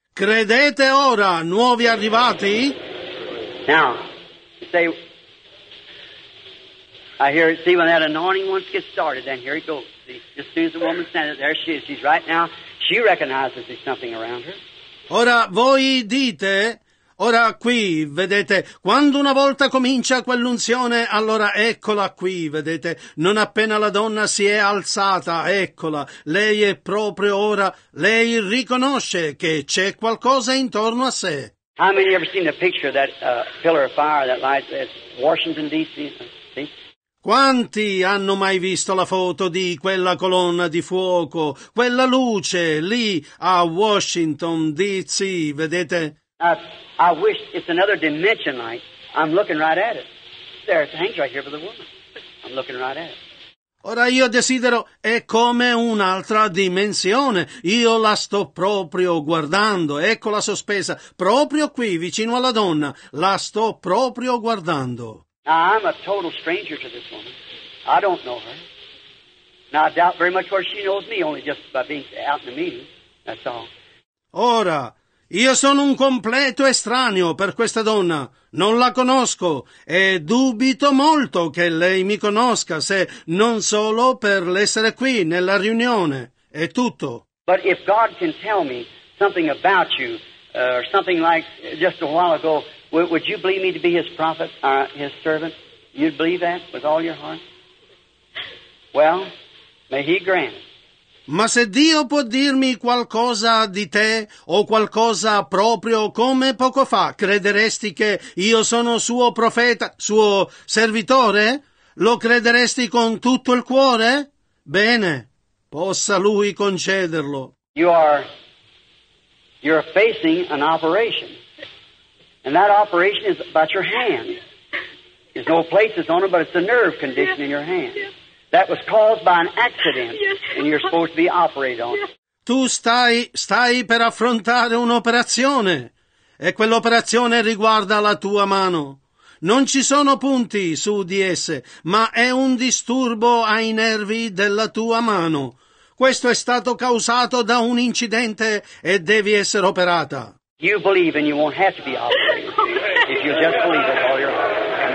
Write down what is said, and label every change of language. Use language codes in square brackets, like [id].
[it] Credete ora, nuovi arrivati? [en] Now, say, I hear it, see, when that anointing once gets started, then here it goes. See, just as soon as the woman stands, there she is, she's right now, she recognizes there's something around her. [it] Ora voi dite, ora qui, vedete, quando una volta comincia quell'unzione, allora eccola qui, vedete, non appena la donna si è alzata, eccola, lei è proprio ora, lei riconosce che c'è qualcosa intorno a sé. [en] How many ever seen the picture of that pillar of fire that lies at Washington D.C.? [it] Quanti hanno mai visto la foto di quella colonna di fuoco, quella luce lì a Washington D.C., vedete? [en] I wish it's another dimension light. I'm looking right at it. There it hangs right here for the woman. I'm looking right at it. [it] Ora io desidero, è come un'altra dimensione. Io la sto proprio guardando. Ecco la sospesa, proprio qui, vicino alla donna. La sto proprio guardando. [en] Now, I'm a total stranger to this woman. I don't know her. Now, I doubt very much where she knows me, only just by being out in the meeting. That's all. [it] Ora, io sono un completo estraneo per questa donna. Non la conosco. E dubito molto che lei mi conosca, se non solo per l'essere qui, nella riunione. È tutto. [en] But if God can tell me something about you, or something like just a while ago, would you believe me to be his prophet, his servant? You'd believe that with all your heart? Well, may he grant it. [it] Ma se Dio può dirmi qualcosa di te o qualcosa proprio come poco fa, crederesti che io sono suo profeta, suo servitore? Lo crederesti con tutto il cuore? Bene, possa lui concederlo. [en] You're facing an operation. And that operation is about your hand. There's no places on it, but it's a nerve condition in your hand. That was caused by an accident, and you're supposed to be operated on. [it] Tu stai per affrontare un'operazione, e quell'operazione riguarda la tua mano. Non ci sono punti su di esse, ma è un disturbo ai nervi della tua mano. Questo è stato causato da un incidente e devi essere operata. [en] You believe and you won't have to be operated. If you just believe it all your heart.